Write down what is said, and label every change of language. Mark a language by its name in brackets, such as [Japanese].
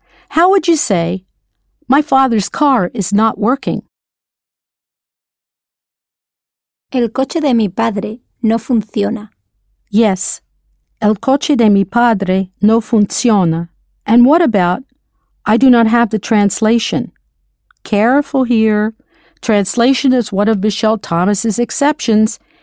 [English] How would you say, my father's car is not working? [Spanish] El coche de mi padre no funciona. [English] Yes. [Spanish] El coche de mi padre no funciona. [English] And what about, I do not have the translation? Careful here. Translation is one of Michelle Thomas's exceptions.